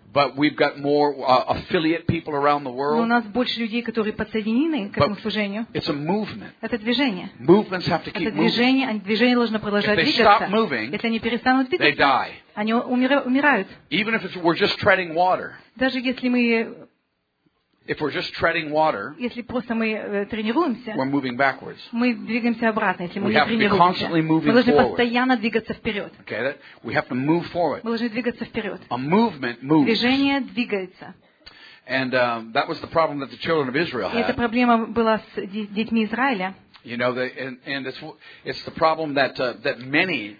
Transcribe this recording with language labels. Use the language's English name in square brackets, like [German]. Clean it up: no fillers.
[English] But we've got more affiliate people around the world. [Russian] Но у нас больше людей, которые подсоединены к этому служению. [English] It's a movement. [Russian] Это движение. [English] Movements have to keep moving. [Russian] Это движение, движение должно продолжать [English] If they [Russian] двигаться. [English] Stop moving, [Russian] если они перестанут двигаться, [English] they die. [Russian] Они умирают. [English] Even if we're just treading water. [Russian] Даже если мы [English] If we're just treading water, [Russian] если просто мы тренируемся, [English] we're moving backwards. [Russian] Мы двигаемся обратно, если мы не тренируемся. [English] We have to be constantly moving forward. [Russian] Мы должны постоянно двигаться вперед. [English] Okay, we have to move forward. [Russian] Мы должны двигаться вперед. [English] A movement moves. [Russian] Движение двигается. [English] And that was the problem that the children of Israel had. [Russian] И эта проблема была с детьми Израиля. [English] You know, it's the problem that many.